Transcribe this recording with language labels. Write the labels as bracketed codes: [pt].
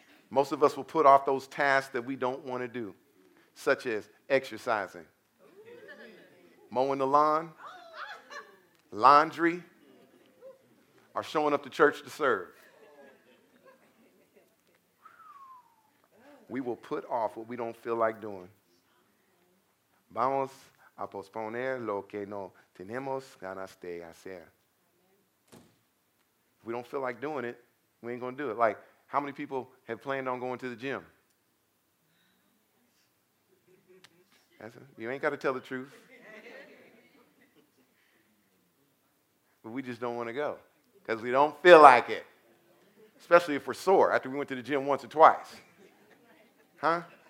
[en] Most of us will put off those tasks that we don't want to do, such as exercising, mowing the lawn, laundry, or showing up to church to serve. We will put off what we don't feel like doing. [es] Vamos a posponer lo que no tenemos ganas de hacer. [en] If we don't feel like doing it, we ain't going to do it. Like, how many people have planned on going to the gym? You ain't got to tell the truth. But we just don't want to go. because we don't feel like it, especially if we're sore after we went to the gym once or twice. Huh?